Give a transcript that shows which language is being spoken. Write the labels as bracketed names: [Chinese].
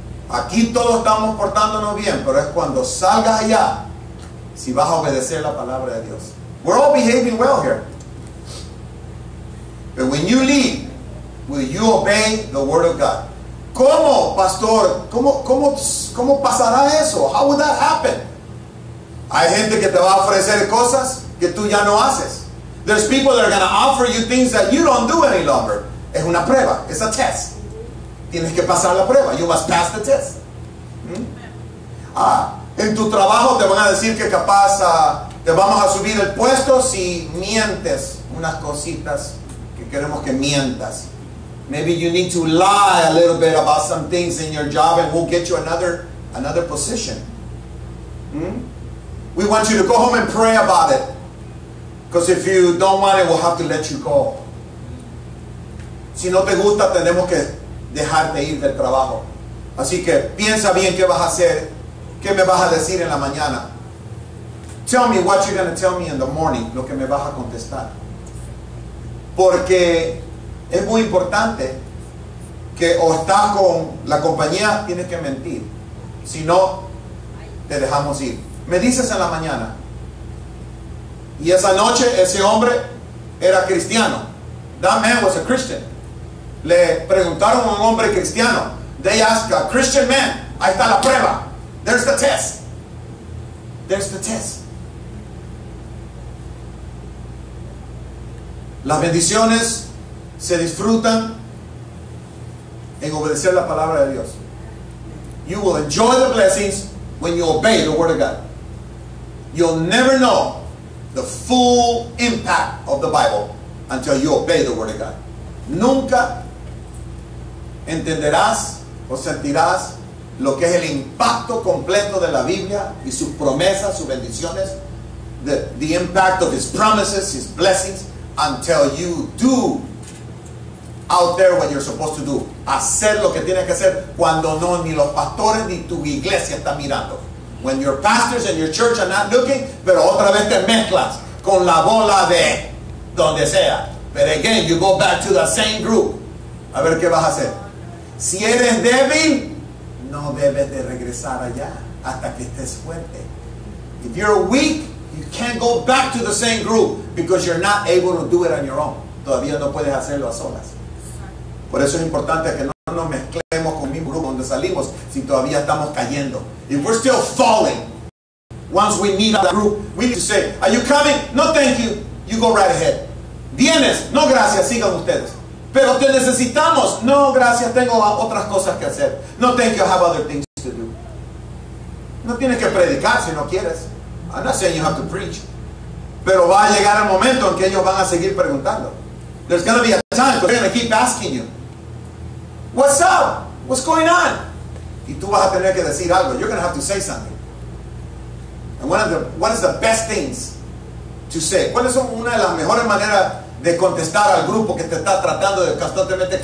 [Spanish] Aquí todos estamos portándonos bien, pero es cuando salgas allá si vas a obedecer la palabra de Dios. [English] We're all behaving well here. But when you leave, will you obey the word of God? [Spanish] ¿Cómo, pastor? ¿Cómo pasará eso? [English] How would that happen? [Spanish] Hay gente que te va a ofrecer cosas que tú ya no haces. [English] There's people that are going to offer you things that you don't do any longer. [Spanish] Es una prueba. [English] It's a test. [Spanish] Tienes que pasar la prueba. [English] You must pass the test. [Spanish] En tu trabajo te van a decir que capaz te vamos a subir el puesto si mientes unas cositas que queremos que mientas. [English] Maybe you need to lie a little bit about some things in your job and we'll get you another position. We want you to go home and pray about it. Because if you don't want it, we'll have to let you go. [Spanish] Si no te gusta, tenemos que dejarte ir del trabajo. Así que piensa bien qué vas a hacer, qué me vas a decir en la mañana. [English] Tell me what you're going to tell me in the morning, [Spanish] lo que me vas a contestar. Porque es muy importante que o estás con la compañía, tienes que mentir. Si no, te dejamos ir. Me dices en la mañana. Y esa noche, ese hombre era cristiano. [English] That man was a Christian. [Spanish] Le preguntaron a un hombre cristiano. [English] They asked a Christian man. [Spanish] Ahí está la prueba. [English] There's the test. There's the test. [Spanish] Las bendiciones se disfrutan en obedecer la palabra de Dios. [English] You will enjoy the blessings when you obey the word of God. You'll never know the full impact of the Bible until you obey the word of God. [Spanish] Nunca entenderás o sentirás lo que es el impacto completo de la Biblia y sus promesas, sus bendiciones, [English] the impact of his promises, his blessings, until you do out there what you're supposed to do. [Spanish] Hacer lo que tienes que hacer cuando no ni los pastores ni tu iglesia están mirando. [English] When your pastors and your church are not looking, [Spanish] pero otra vez te mezclas con la bola de donde sea. [English] But again, you go back to the same group. [Spanish] A ver qué vas a hacer. Si eres débil, no debes de regresar allá hasta que estés fuerte. [English] If you're weak, you can't go back to the same group because you're not able to do it on your own. [Spanish] Todavía no puedes hacerlo a solas. Por eso es importante que no nos mezclemos con mi grupo donde salimos si todavía estamos cayendo. [English] If we're still falling, once we meet that group, we need to say, are you coming? No, thank you. You go right ahead. [Spanish] ¿Vienes? No, gracias. Sigan ustedes. Pero te necesitamos. No, gracias. Tengo otras cosas que hacer. [English] No, thank you. I have other things to do. [Spanish] No tienes que predicar si no quieres. [English] I'm not saying you have to preach. [Spanish] Pero va a llegar el momento en que ellos van a seguir preguntando. [English] There's going to be a time because they're going to keep asking you. What's up? What's going on? [Spanish] Y tú vas a tener que decir algo. [English] You're going to have to say something. And what is the best things to say? [Spanish] ¿Cuáles son una de las mejores maneras de contestar al grupo que te está tratando de constantemente?